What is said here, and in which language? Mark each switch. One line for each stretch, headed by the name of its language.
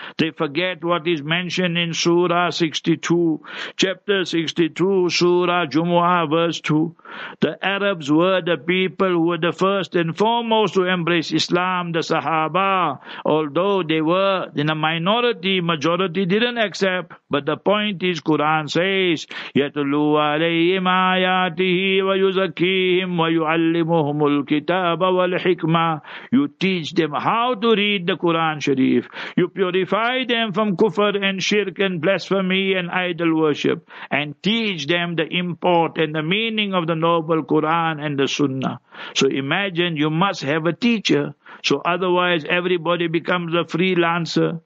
English: They forget what is mentioned in Surah 62, chapter 62, Surah Jumu'ah, verse 2. The Arabs were the people who were the first and foremost to embrace Islam, the Sahaba. Although they were in a minority, majority didn't accept.
Arabic: But the point is, Quran says, يَتُلُوا عَلَيْهِمْ آيَاتِهِ وَيُزَكِّيهِمْ وَيُعَلِّمُهُمُ الْكِتَابَ وَالْحِكْمَةِ.
English: You teach them how to read the Quran Sharif. You purify them from kufr and shirk and blasphemy and idol worship. And teach them the import and the meaning of the noble Quran and the Sunnah. So imagine, you must have a teacher. So otherwise everybody becomes a freelancer.